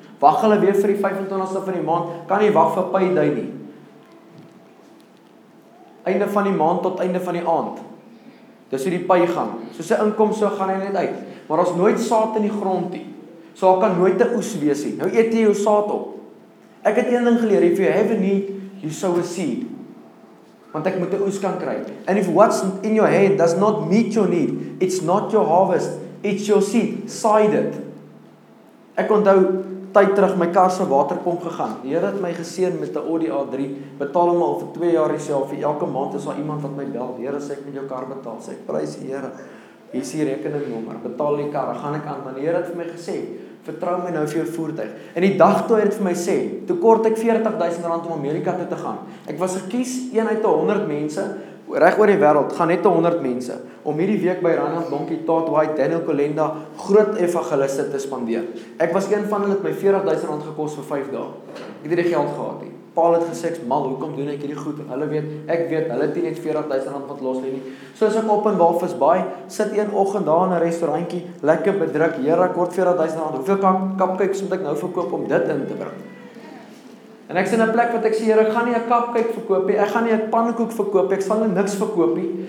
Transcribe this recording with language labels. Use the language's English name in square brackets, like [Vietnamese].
[Afrikaans] Wag hulle weer vir die 25ste van die maand, kan nie wag vir payday nie. Einde van die maand tot einde van die aand. Dis hoe die pay gaan. Soos 'n inkomste so gaan hy net uit. Maar ons nooit saad in die grond nie. So daar kan nooit 'n oes wees nie. Nou eet jy jou saad op. Ek het een ding geleer, [English] if you have a need, you sow a seed. [Afrikaans] Want ek moet 'n oes kan kry. [English] And if what's in your hand does not meet your need, it's not your harvest, it's your seed. [Afrikaans] Saai dit. Ek onthou tyd terug my kar se waterpomp gegaan. Die Here het my geseën met 'n Audi A3. Betaal hom al vir 2 jaar self. Elke maand is daar iemand wat my bel. Die Here sê ek moet jou kar betaal. Sê ek prys die Here. Hier is die rekeningnommer. Betaal die kar, gaan ek aan. Maar die Here het vir my gesê, "Vertrou my nou vir jou voertuig." En die dag toe hy dit vir my sê, toe kort ek R40,000 om Amerika toe te gaan. Ek was gekies, een uit 100 mense reg oor die wêreld, gaan net 100 mense om hierdie week by Randland Donkie Tot White Daniel Kolenda groot evangeliste te spandeer. Ek was een van hulle wat my R40,000 gekos vir 5 dae. Ek het nie die geld gehad nie. Paul het gesê, "Mal, hoekom doen ek hierdie goed?" En hulle weet, ek weet, hulle het net R40,000 wat los lê nie. So as ek op in Walvis Bay sit een oggend daar in 'n restaurantjie, lekker bedruk, "Here, kort R40,000. Hoeveel kapkyks moet ek nou verkoop om dit in te bring?" En ek sien 'n plek wat ek sê, "Here, ek gaan nie 'n kapkyk verkoop nie. Ek gaan nie 'n pannekoek verkoop nie. Ek sal niks verkoop nie.